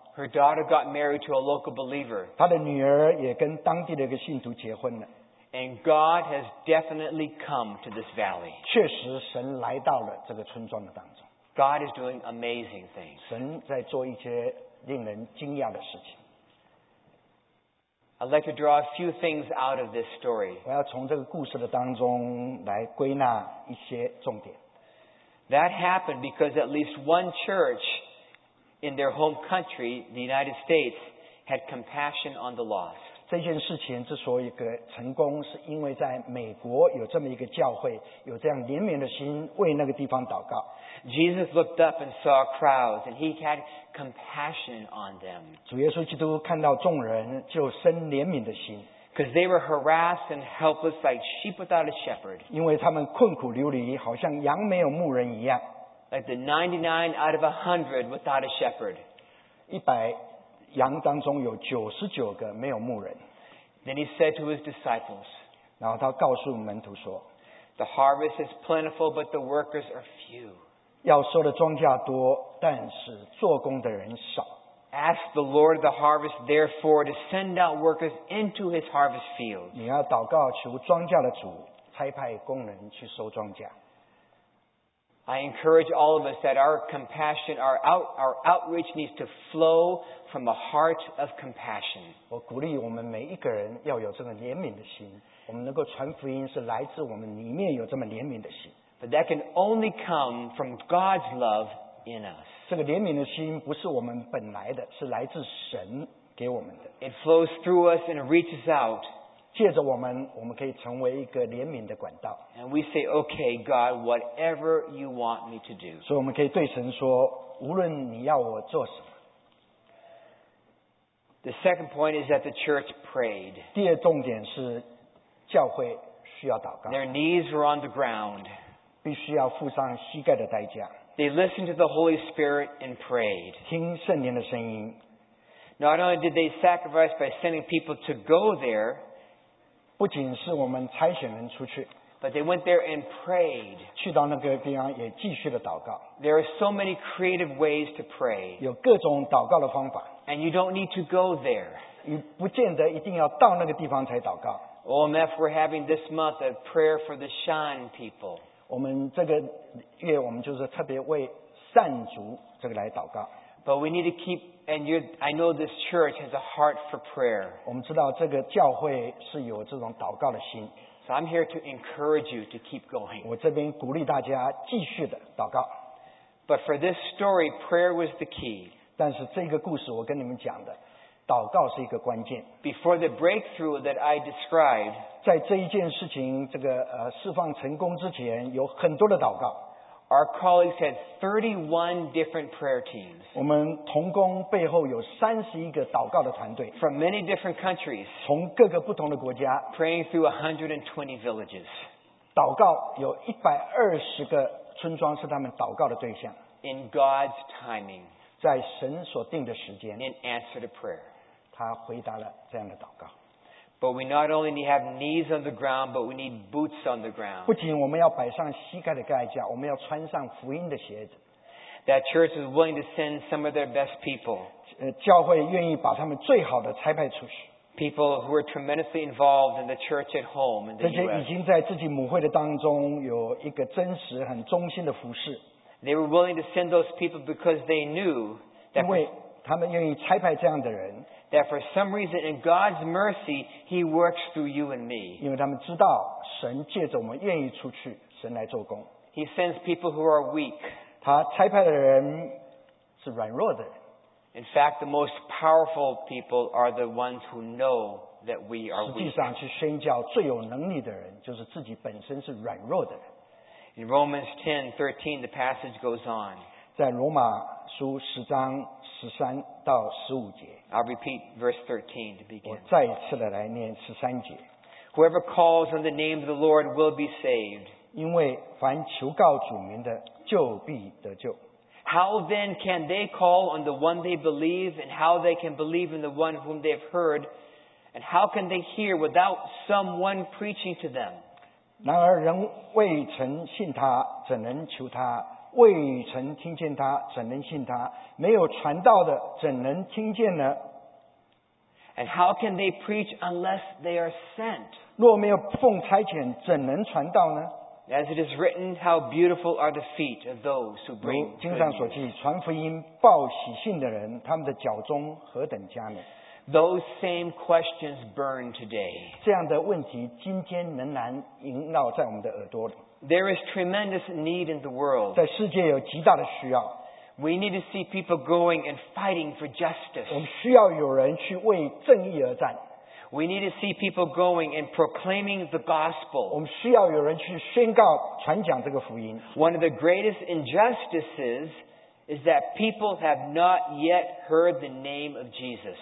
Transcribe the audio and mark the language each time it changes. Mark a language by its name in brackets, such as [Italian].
[English] Her daughter got married to a local believer. [Chinese] 她的女儿也跟当地的一个信徒结婚了。 [English] And God has definitely come to this valley. [Chinese] 确实神来到了这个村庄的当中。 [English] God is doing amazing things. [Chinese] 神在做一些令人惊讶的事情。 [English] I'd like to draw a few things out of this story. [Chinese] 我要从这个故事的当中来归纳一些重点。 [English] That happened because at least one church in their home country, the United States, had compassion on the lost. [Chinese] 这件事情之所以成功，是因为在美国有这么一个教会，有这样怜悯的心为那个地方祷告。 [English] Jesus looked up and saw crowds, and he had compassion on them. [Chinese] 主耶稣基督看到众人，就生怜悯的心。 [English] Because they were harassed and helpless like sheep without a shepherd. [Chinese] 因为他们困苦流离，好像羊没有牧人一样。 [English] Like the 99 out of 100 without a shepherd. [Chinese] 100羊当中有99个没有牧人。 [English] Then he said to his disciples. [Chinese] 然后他告诉门徒说。 [English] The harvest is plentiful, but the workers are few. [Chinese] 要收的庄稼多，但是做工的人少。 [English] Ask the Lord of the harvest, therefore, to send out workers into his harvest field. [Chinese] 你要祷告求庄稼的主差派工人去收庄稼。 [English] I encourage all of us that our compassion, our outreach needs to flow from a heart of compassion. [Chinese] 我鼓励我们每一个人要有这么怜悯的心。我们能够传福音是来自我们里面有这么怜悯的心。 [English] But that can only come from God's love in us. [Chinese] 这个怜悯的心不是我们本来的，是来自神给我们的。 [English] It flows through us and reaches out. [Chinese] 借着我们，我们可以成为一个怜悯的管道。 [English] And we say, okay, God, whatever you want me to do. [Chinese] 所以我们可以对神说，无论你要我做什么。 [English] The second point is that the church prayed. [Chinese] 第二重点是，教会需要祷告。 [English] Their knees were on the ground. [Chinese] 必须要付上膝盖的代价。 [English] They listened to the Holy Spirit and prayed. [Chinese] 听圣灵的声音。 [English] Not only did they sacrifice by sending people to go there, [Chinese] 不仅是我们差遣人出去， [English] but they went there and prayed. [Chinese] 去到那个地方也继续的祷告。 [English] There are so many creative ways to pray. [Chinese] 有各种祷告的方法。 [English] And you don't need to go there. [Chinese] 你不见得一定要到那个地方才祷告。 [English] OMF, we're having this month a prayer for the Shan people. [Chinese] 我们这个月我们就是特别为善族这个来祷告。 [English] But we need to keep, and I know this church has a heart for prayer. [Chinese] 我们知道这个教会是有这种祷告的心。 [English] So I'm here to encourage you to keep going. [Chinese] 我这边鼓励大家继续的祷告。 [English] But for this story, prayer was the key. [Chinese] 但是这个故事我跟你们讲的，祷告是一个关键。 [English] Before the breakthrough that I described, [Chinese] 在这一件事情这个释放成功之前，有很多的祷告。 [English] Our colleagues had 31 different prayer teams. [Chinese] 我们同工背后有31个祷告的团队。 [English] From many different countries. [Chinese] 从各个不同的国家。 [English] Praying through 120 villages. [Chinese] 祷告有120个村庄是他们祷告的对象。 [English] In God's timing. [Chinese] 在神所定的时间。 [English] In answer to prayer. [Chinese] 他回答了这样的祷告。 [English] But we not only need to have knees on the ground, but we need boots on the ground. [Chinese] 不仅我们要摆上膝盖的盖架，我们要穿上福音的鞋子。 [English] That church is willing to send some of their best people. [Chinese] 教会愿意把他们最好的差派出去。 [English] People who are tremendously involved in the church at home in the U.S. [Chinese] 这些已经在自己母会的当中有一个真实很忠心的服事。 [English] They were willing to send those people because they knew that. [Chinese] 因为他们愿意差派这样的人。 [English] That for some reason, in God's mercy, He works through you and me. [Chinese] 因为他们知道神借着我们愿意出去，神来做工。 [English] He sends people who are weak. [Chinese] 他差派的人是软弱的人。 [English] In fact, the most powerful people are the ones who know that we are weak. [Chinese] 实际上，去宣教最有能力的人就是自己本身是软弱的人。 [English] In Romans 10:13, the passage goes on. [Chinese] 在罗马书十章。13到15节 [English] I'll repeat verse 13 to begin. [Chinese] 我再一次的来念13节 [English] Whoever calls on the name of the Lord will be saved. [Chinese] 因为凡求告主名的就必得救 [English] How then can they call on the one they believe and how they can believe in the one whom they have heard and how can they hear without someone preaching to them? [Chinese] 然而人未曾信他怎能求他未曾听见他怎能信他没有传道的怎能听见呢 [English] And how can they preach unless they are sent? [Chinese] 若没有奉差遣怎能传道呢 [English] As it is written, how beautiful are the feet of those who bring good news. [Chinese] 经上所记传福音报喜信的人他们的脚中何等佳美 [English] Those same questions burn today. [Chinese] 这样的问题今天仍然萦绕在我们的耳朵里 [English] There is tremendous need in the world. [Chinese] 在世界有极大的需要。 [English] We need to see people going and fighting for justice. [Chinese] 我们需要有人去为正义而战。 [English] We need to see people going and proclaiming the gospel. [Chinese] 我们需要有人去宣告传讲这个福音。 [English] One of the greatest injustices is that people have not yet heard the name of Jesus.